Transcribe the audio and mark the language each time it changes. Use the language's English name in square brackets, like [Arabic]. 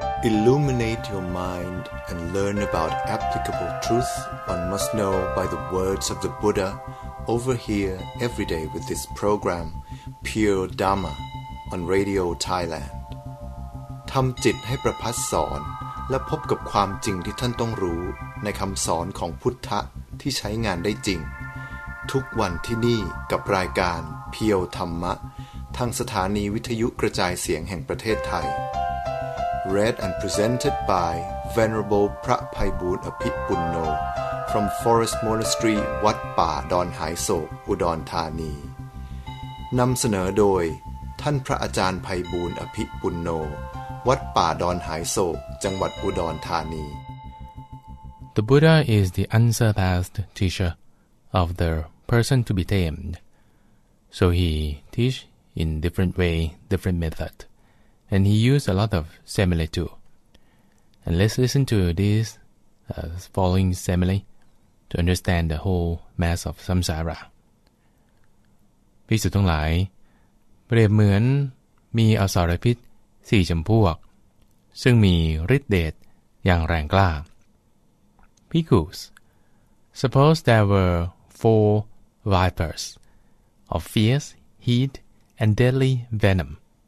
[English] Illuminate your mind and learn about applicable truth one must know by the words of the Buddha over here every day with this program, Pure Dharma, on Radio Thailand. [Thai] ทำจิตให้ประพัสสอนและพบกับความจริงที่ท่านต้องรู้ในคำสอนของพุทธะที่ใช้งานได้จริงทุกวันที่นี่กับรายการเพียวธรรมะทางสถานีวิทยุกระจายเสียงแห่งประเทศไทย [English] Read and presented by Venerable [Thai] พระไพบูลย์อภิปุณโญ [English] from Forest Monastery [Thai] วัดป่าดอนหายโศกอุดรธานีนำเสนอโดยท่านพระอาจารย์ไพบูลย์อภิปุณโญวัดป่าดอนหายโศกจังหวัดอุดรธานี [English] The Buddha is the unsurpassed teacher of the person to be tamed. So he teach in different way, different method, and he use a lot of simile too. And let's listen to this following simile to understand the whole mass of samsara. [Thai] ภิกษุทั้งหลายเปรียบเหมือนมีอสรพิษสี่จำพวกซึ่งมีฤทธิ์เดชอย่างแรงกล้า [English] Bhikkhus, suppose there were four vipers of fierce heat and deadly venom.